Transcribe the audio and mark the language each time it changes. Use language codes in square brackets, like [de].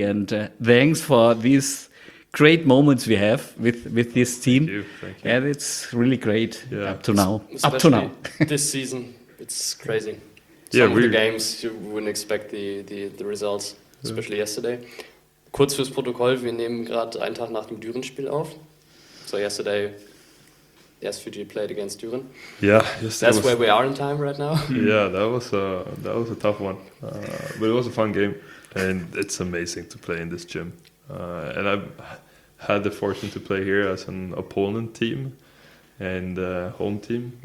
[en] And thanks for these great moments we have with this team. Thank you. And it's really great up to now. This season, it's crazy. Some of the games, you wouldn't expect the results, especially yesterday. [de] Kurz fürs Protokoll, wir nehmen gerade einen Tag nach dem Düren-Spiel auf. [en] So yesterday, SVG played against Düren. Yeah, that's where we are in time right now. Yeah, that was a tough one. But it was a fun game. And it's amazing to play in this gym. And I've had the fortune to play here as an opponent team and home team.